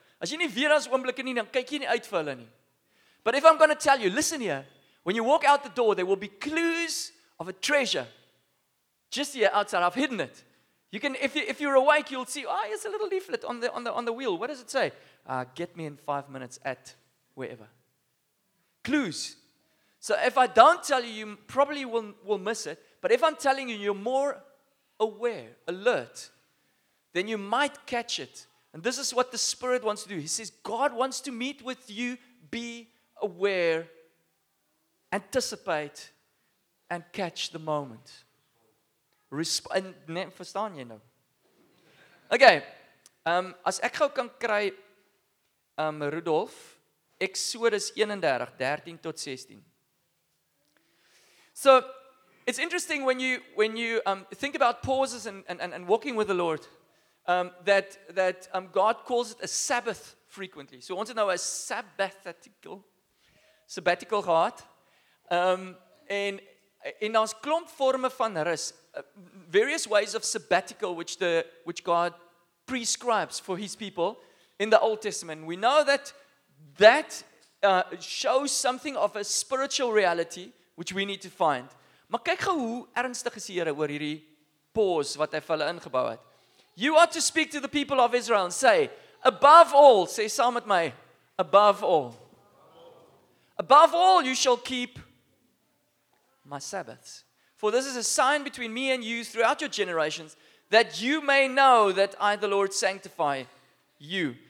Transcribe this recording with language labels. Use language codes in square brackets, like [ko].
[af] As jy nie weet daar is oomblikke nie, dan kyk jy nie uit vir hulle nie. [en] But if I'm going to tell you, listen here. When you walk out the door, there will be clues of a treasure. Just here outside, I've hidden it. You can, if you're awake, you'll see. Oh, here's a little leaflet on the wheel. What does it say? Get me in 5 minutes at wherever. Clues. So if I don't tell you, you probably will miss it. But if I'm telling you, you're more aware, alert, then you might catch it. And this is what the Spirit wants to do. He says God wants to meet with you. Be aware, anticipate, and catch the moment. [af] Nee, verstaan jy nou? Okay, as ek gou kan kry, Rudolf, Exodus 31, 13 tot 16. [en] So, it's interesting when you think about pauses and walking with the Lord, that God calls it a Sabbath frequently. [af] So, ons het nou 'n sabbatical gehad, en daar's klomp forme van rus. [en] Various ways of sabbatical which God prescribes for his people in the Old Testament. We know that shows something of a spiritual reality which we need to find. [af] Maar kyk gou hoe ernstig is die Here oor hierdie pause wat hy vir hulle ingebou het. [en] You are to speak to the people of Israel and say, above all, say [af] saam met my, [en] above all. Above all, you shall keep my Sabbaths. For this is a sign between me and you throughout your generations, that you may know that I, the Lord, sanctify you.